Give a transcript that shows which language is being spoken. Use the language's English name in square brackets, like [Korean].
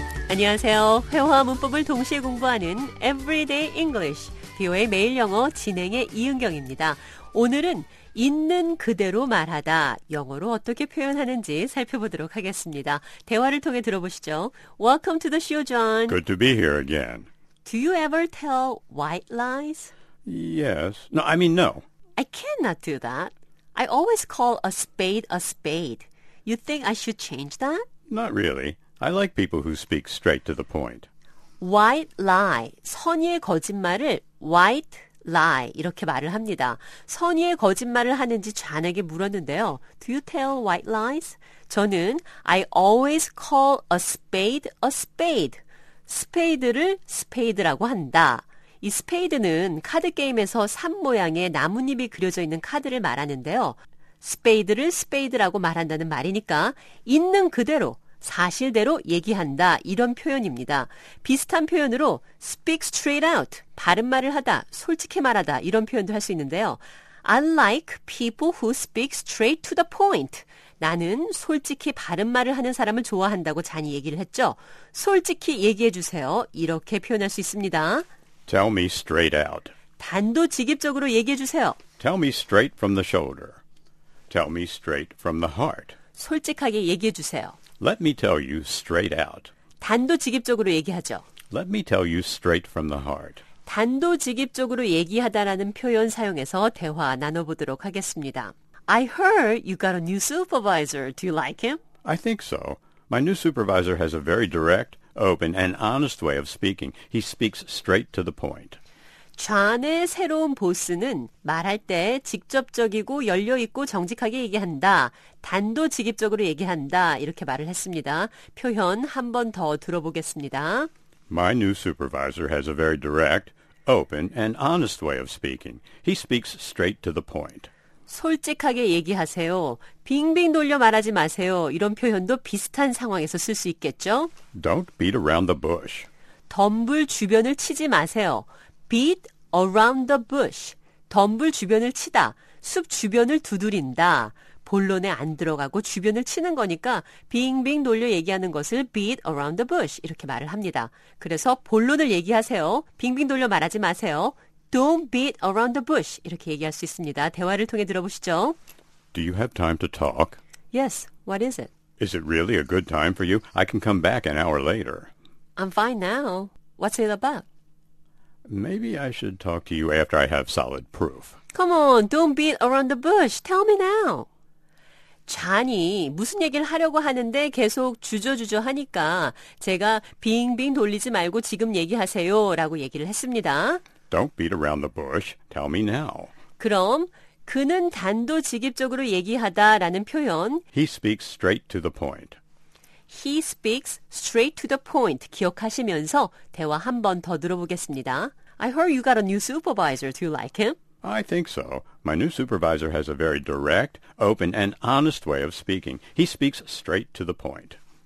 [Korean] 안녕하세요. 회화와 문법을 동시에 공부하는 Everyday English, VOA 매일 영어 진행의 이은경입니다. 오늘은 있는 그대로 말하다, 영어로 어떻게 표현하는지 살펴보도록 하겠습니다. 대화를 통해 들어보시죠. [English] Welcome to the show, John. Good to be here again. Do you ever tell white lies? Yes. No, I mean no. I cannot do that. I always call a spade a spade. You think I should change that? Not really. I like people who speak straight to the point. [Korean] White lie, 선의의 거짓말을 white lie 이렇게 말을 합니다. 선의의 거짓말을 하는지 잔에게 물었는데요. [English] Do you tell white lies? [Korean] 저는 [English] I always call a spade a spade. [Korean] 스페이드를 스페이드라고 한다. 이 스페이드는 카드 게임에서 산 모양의 나뭇잎이 그려져 있는 카드를 말하는데요. 스페이드를 스페이드라고 말한다는 말이니까 있는 그대로 사실대로 얘기한다 이런 표현입니다. 비슷한 표현으로 [English] speak straight out, [Korean] 바른 말을 하다, 솔직히 말하다 이런 표현도 할 수 있는데요. [English] I like people who speak straight to the point. [Korean] 나는 솔직히 바른 말을 하는 사람을 좋아한다고 잔이 얘기를 했죠. 솔직히 얘기해 주세요. 이렇게 표현할 수 있습니다. [English] Tell me straight out. [Korean] 단도직입적으로 얘기해 주세요. [English] Tell me straight from the shoulder. Tell me straight from the heart. [Korean] 솔직하게 얘기해 주세요. [English] Let me tell you straight out. [Korean] 단도직입적으로 얘기하죠. [English] Let me tell you straight from the heart. [Korean] 단도직입적으로 얘기하다라는 표현 사용해서 대화 나눠보도록 하겠습니다. [English] I heard you got a new supervisor. Do you like him? I think so. My new supervisor has a very direct, open, and honest way of speaking. He speaks straight to the point. [Korean] 존의 새로운 보스는 말할 때 직접적이고 열려있고 정직하게 얘기한다. 단도직입적으로 얘기한다. 이렇게 말을 했습니다. 표현 한 번 더 들어보겠습니다. [English] My new supervisor has a very direct, open, and honest way of speaking. He speaks straight to the point. [Korean] 솔직하게 얘기하세요. 빙빙 돌려 말하지 마세요. 이런 표현도 비슷한 상황에서 쓸 수 있겠죠? [English] Don't beat around the bush. [Korean] 덤불 주변을 치지 마세요. [English] Beat around the bush. [Korean] 덤불 주변을 치다. 숲 주변을 두드린다. 본론에 안 들어가고 주변을 치는 거니까 빙빙 돌려 얘기하는 것을 [English] beat around the bush [Korean] 이렇게 말을 합니다. 그래서 본론을 얘기하세요. 빙빙 돌려 말하지 마세요. [English] Don't beat around the bush [Korean] 이렇게 얘기할 수 있습니다. 대화를 통해 들어보시죠. [English] Do you have time to talk? Yes. What is it? Is it really a good time for you? I can come back an hour later. I'm fine now. What's it about? Maybe I should talk to you after I have solid proof. Come on, don't beat around the bush. Tell me now. [Korean] 잔이 무슨 얘기를 하려고 하는데 계속 주저주저 하니까 제가 빙빙 돌리지 말고 지금 얘기하세요 라고 얘기를 했습니다. [English] Don't beat around the bush. Tell me now. [Korean] 그럼 그는 단도직입적으로 얘기하다 라는 표현 [English] He speaks straight to the point. He speaks straight to the point. [Korean] 기억하시면서 대화 한 번 더 들어보겠습니다. [English] I heard you got a new supervisor. Do you like him? I think so. My new supervisor has a very direct, open, and honest way of speaking. He speaks straight to the point.